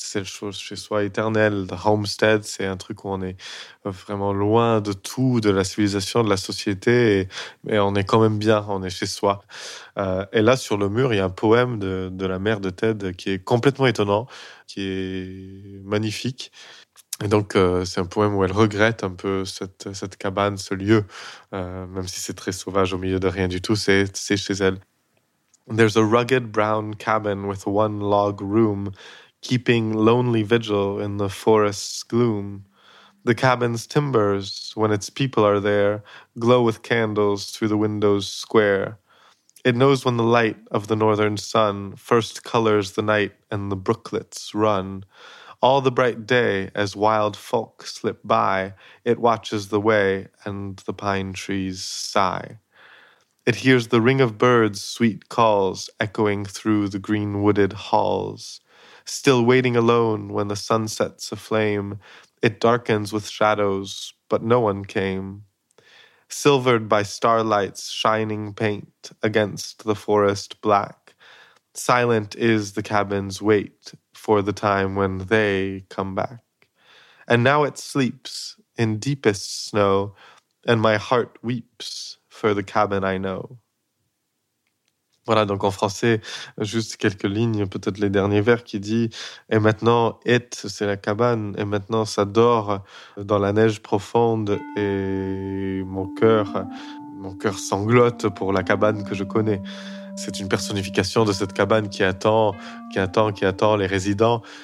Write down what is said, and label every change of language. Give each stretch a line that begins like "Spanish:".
French: C'est le chez soi éternel.
English: The homestead,
French: c'est un truc où on est vraiment loin de tout, de la civilisation, de la société. Et on est quand même bien. On est chez soi. Et là, sur le mur, il y a un poème de la mère de Ted qui est complètement étonnant, qui est magnifique. Et donc, c'est un poème où elle regrette un peu cette cabane, ce lieu, même si c'est très sauvage au milieu de rien du tout. C'est chez elle.
English: There's a rugged brown cabin with one log room, keeping lonely vigil in the forest's gloom. The cabin's timbers, when its people are there, glow with candles through the window's square. It knows when the light of the northern sun first colors the night and the brooklets run. All the bright day, as wild folk slip by, it watches the way and the pine trees sigh. It hears the ring of birds' sweet calls echoing through the green wooded halls. Still waiting alone when the sun sets aflame, it darkens with shadows, but no one came. Silvered by starlight's shining paint against the forest black, silent is the cabin's wait for the time when they come back. And now it sleeps in deepest snow, and my heart weeps for the cabin I know.
French: Voilà, donc en français, juste quelques lignes, peut-être les derniers vers, qui dit « Et maintenant, it, c'est la cabane, et maintenant ça dort dans la neige profonde, et mon cœur sanglote pour la cabane que je connais. » C'est une personnification de cette cabane qui attend les résidents.